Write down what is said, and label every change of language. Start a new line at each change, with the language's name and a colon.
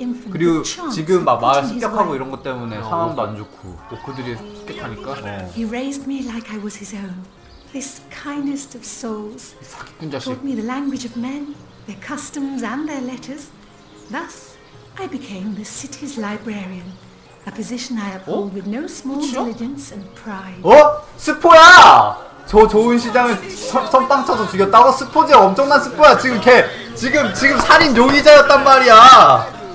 Korean: 그리고 지금 막 마을 습격하고 이런 것 때문에 상황도 안 좋고 오크들이 습격하니까.
English: He raised me like I was his own. This kindest of souls taught me the language of men, their customs and their letters. Thus, I became the city's librarian, a position I uphold with no small diligence and pride.
Korean: 어? 스포야! 저 좋은 시장을 선빵 쳐서 죽였다고? 스포지 엄청난 스포야. 지금 걔 지금 살인 용의자였단 말이야.